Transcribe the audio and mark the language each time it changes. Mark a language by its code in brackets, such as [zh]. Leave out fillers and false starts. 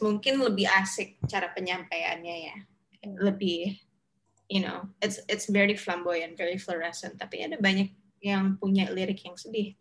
[id] Mungkin lebih asik cara penyampaiannya ya. [en] Lebih, you know, it's very flamboyant, very fluorescent. [id] Tapi ada banyak yang punya lirik yang sedih.